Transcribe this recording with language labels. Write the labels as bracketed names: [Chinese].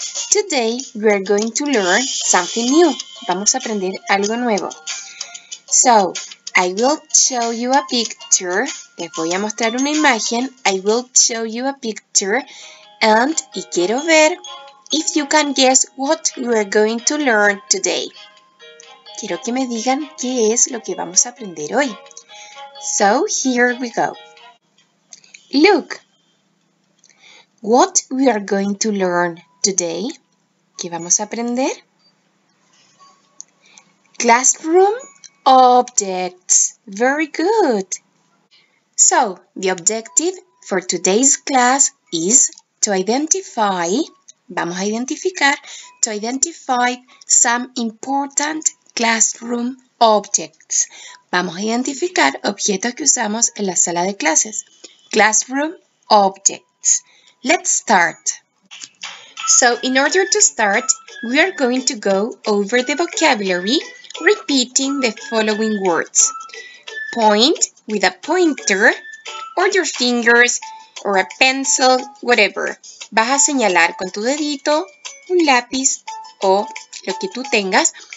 [English] Today, we are going to learn something new. [Spanish] Vamos a aprender algo nuevo. [English] So, I will show you a picture. [Spanish] Les voy a mostrar una imagen. [English] I will show you a picture. And, [Spanish] y quiero ver [English] if you can guess what we are going to learn today. [Spanish] Quiero que me digan qué es lo que vamos a aprender hoy. [English] So, here we go. Look. What we are going to learn today. [Spanish] ¿Qué vamos a aprender? [English] Classroom objects. Very good. So, the objective for today's class is to identify, [Spanish] vamos a identificar, [English] to identify some important classroom objects. [Spanish] Vamos a identificar objetos que usamos en la sala de clases. [English] Classroom objects. Let's start. So, in order to start, we are going to go over the vocabulary, repeating the following words. Point with a pointer, or your fingers, or a pencil, whatever. [Spanish] Vas a señalar con tu dedito, un lápiz, o lo que tú tengas.